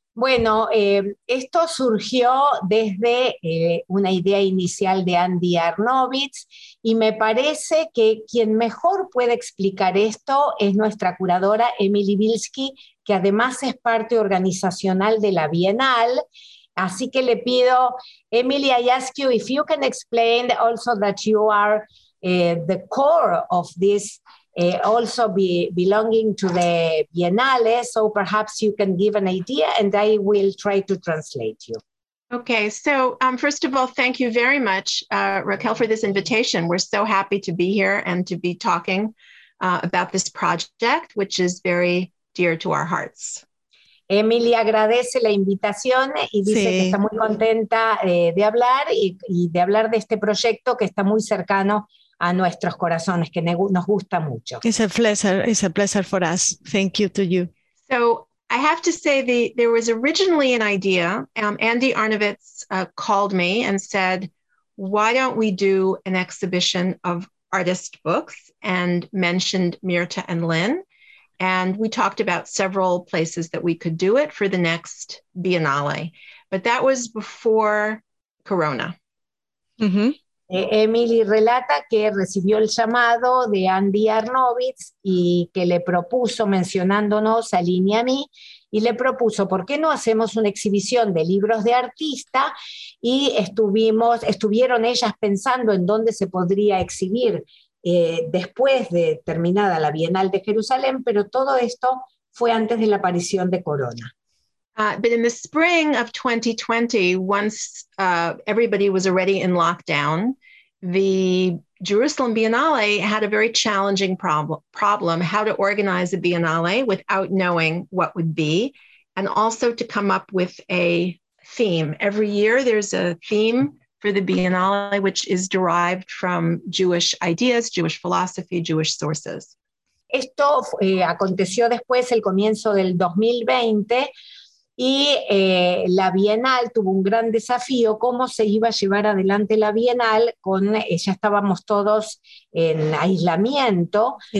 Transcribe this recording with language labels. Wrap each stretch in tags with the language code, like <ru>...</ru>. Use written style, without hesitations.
<es>Bueno, esto surgió desde una idea inicial de Andy Arnovich, y me parece que quien mejor puede explicar esto es nuestra curadora Emily Bilski, que además es parte organizacional de la Bienal. Así que le pido, Emily,</es> <en>I ask you if you can explain also that you are the core of this, also belonging to the Biennale, so perhaps you can give an idea and I will try to translate you. Okay, so first of all, thank you very much, Raquel, for this invitation. We're so happy to be here and to be talking about this project, which is very dear to our hearts.</en> <es>Emily agradece la invitación y dice sí, que está muy contenta de hablar y de hablar de este proyecto que está muy cercano a nuestros corazones, que nos gusta mucho.</es> <en>It's a pleasure for us. Thank you to you. So I have to say there was originally an idea. Andy Arnovich called me and said, why don't we do an exhibition of artist books, and mentioned Mirta and Lynn. And we talked about several places that we could do it for the next Biennale. But that was before Corona. Mm-hmm.</en> <es>Emily relata que recibió el llamado de Andy Arnovich y que le propuso, mencionándonos a Lynn y a mí, y le propuso, ¿por qué no hacemos una exhibición de libros de artista? Y estuvieron ellas pensando en dónde se podría exhibir después de terminada la Bienal de Jerusalén, pero todo esto fue antes de la aparición de Corona.</es> <en>But in the spring of 2020, once everybody was already in lockdown, the Jerusalem Biennale had a very challenging problem, how to organize a Biennale without knowing what would be, and also to come up with a theme. Every year there's a theme for the Biennale, which is derived from Jewish ideas, Jewish philosophy, Jewish sources.</en> <es>Esto aconteció después, el comienzo del 2020, y la Bienal tuvo un gran desafío, cómo se iba a llevar adelante la Bienal con, ya estábamos todos en aislamiento.</es>